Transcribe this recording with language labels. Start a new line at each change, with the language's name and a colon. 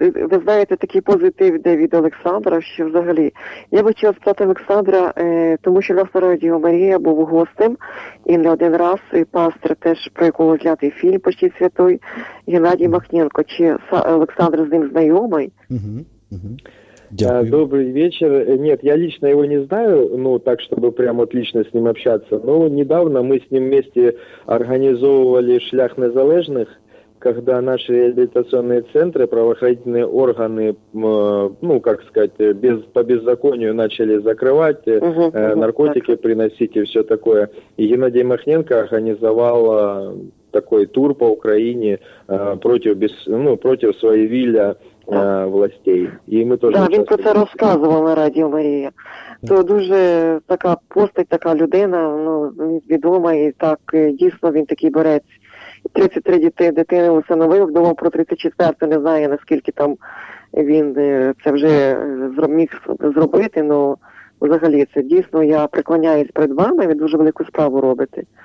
Ukrainian: Ви знаєте, такий позитив йде від Олександра, що взагалі. Я би хотіла спитати Олександра, тому що нас на радіо Марія був гостем, і не один раз, і пастор теж, про якого знятий фільм «Почти святой», Геннадій Махненко. Чи Олександр з ним знайомий? Дякую.
Russian: Добрый вечер. Нет, я лично его не знаю, ну, так, чтобы прям вот лично с ним общаться, но недавно мы с ним вместе организовывали «Шлях незалежных», когда наши реабилитационные центры, правоохранительные органы, ну, как сказать, по беззаконию начали закрывать, наркотики так. приносить и все такое. И Геннадий Махненко организовал такой тур по Украине против своей вилля, властей.
Ukrainian: І ми теж він про це розказував на радіо Марія. То дуже така постать, така людина, ну, відома, і так, дійсно, він такий борець. 33 дитини усиновив, думав про 34, не знаю, наскільки там він це вже міг зробити, але взагалі це дійсно, я преклоняюсь перед вами, ви дуже велику справу робите.